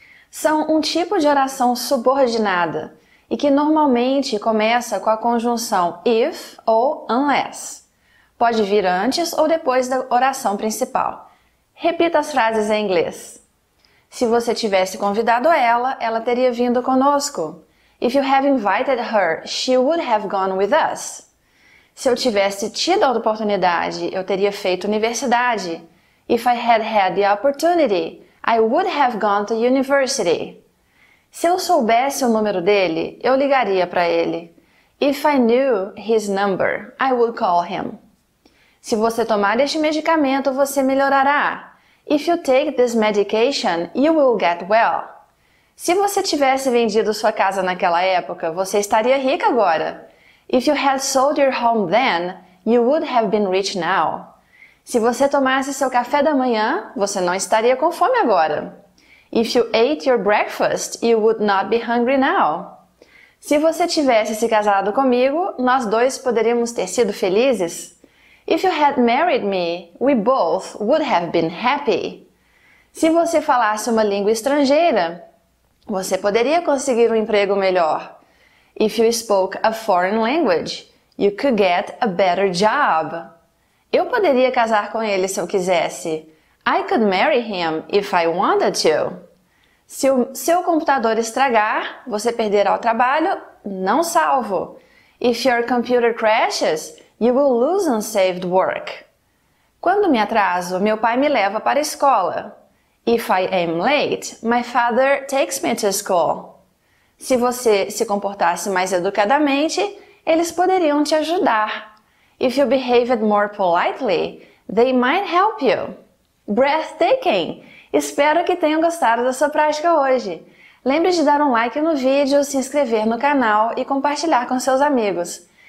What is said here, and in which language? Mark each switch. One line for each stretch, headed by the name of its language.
Portuguese: São um tipo de oração subordinada e que normalmente começa com a conjunção if ou unless. Pode vir antes ou depois da oração principal. Repita as frases em inglês. Se você tivesse convidado ela, ela teria vindo conosco.
English: If you have invited her, she would have gone with us.
Portuguese: Se eu tivesse tido a oportunidade, eu teria feito universidade.
English: If I had had the opportunity, I would have gone to university.
Portuguese: Se eu soubesse o número dele, eu ligaria para ele.
English: If I knew his number, I would call him.
Portuguese: Se você tomar este medicamento, você melhorará.
English: If you take this medication, you will get well.
Portuguese: Se você tivesse vendido sua casa naquela época, você estaria rica agora.
English: If you had sold your home then, you would have been rich now.
Portuguese: Se você tomasse seu café da manhã, você não estaria com fome agora.
English: If you ate your breakfast, you would not be hungry now.
Portuguese: Se você tivesse se casado comigo, nós dois poderíamos ter sido felizes.
English: If you had married me, we both would have been happy.
Portuguese: Se você falasse uma língua estrangeira, você poderia conseguir um emprego melhor.
English: If you spoke a foreign language, you could get a better job.
Portuguese: Eu poderia casar com ele se eu quisesse.
English: I could marry him if I wanted to.
Portuguese: Se o seu computador estragar, você perderá o trabalho, não salvo.
English: If your computer crashes, you will lose unsaved work.
Portuguese: Quando me atraso, meu pai me leva para a escola.
English: If I am late, my father takes me to school.
Portuguese: Se você se comportasse mais educadamente, eles poderiam te ajudar.
English: If you behaved more politely, they might help you. Breathtaking!
Portuguese: Espero que tenham gostado da sua prática hoje. Lembre de dar um like no vídeo, se inscrever no canal e compartilhar com seus amigos.